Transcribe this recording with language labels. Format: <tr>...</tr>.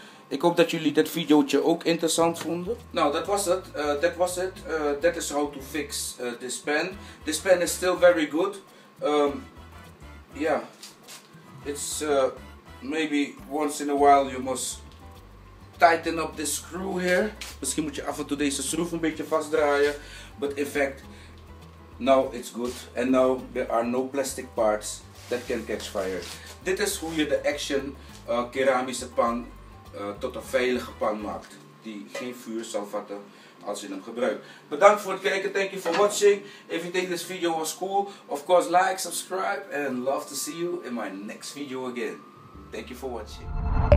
<nl>Ik hoop dat jullie dit videootje ook interessant vonden. Nou, dat was het. Dat was het.</nl> <en>That is how to fix this pen. This pen is still very good. Yeah. It's maybe once in a while you must tighten up this screw here.</en> <nl>Misschien moet je af en toe deze schroef een beetje vastdraaien.</nl> <en>But in fact, now it's good. And now there are no plastic parts that can catch fire.</en> <nl>Dit is hoe je de Action keramische pan tot een veilige pan maakt. Die geen vuur zal vatten als je hem gebruikt. Bedankt voor het kijken.</nl> <en>Thank you for watching. If you think this video was cool, of course like, subscribe. And love to see you in my next video again. Thank you for watching.</en>